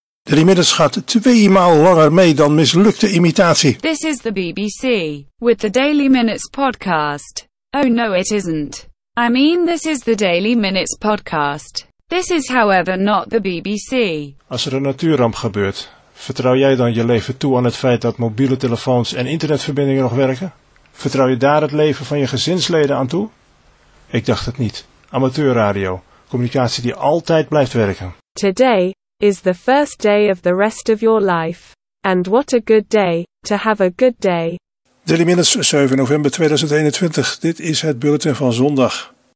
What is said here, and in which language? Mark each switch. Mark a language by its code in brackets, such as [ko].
[nl] Er inmiddels gaat 2 maal langer mee dan mislukte imitatie. [en] This is the BBC, with the Daily Minutes podcast. Oh no, it isn't. I mean, this is the Daily Minutes podcast. This is however not the BBC. [nl] Als er een natuurramp gebeurt, vertrouw jij dan je leven toe aan het feit dat mobiele telefoons en internetverbindingen nog werken? Vertrouw je daar het leven van je gezinsleden aan toe? Ik dacht het niet. Amateurradio, communicatie die altijd blijft werken. [en] Today is the first day of the rest of your life. And what a good day, to have a good day. Daily Minutes, 7 november 2021. [nl] Dit is het bulletin van zondag.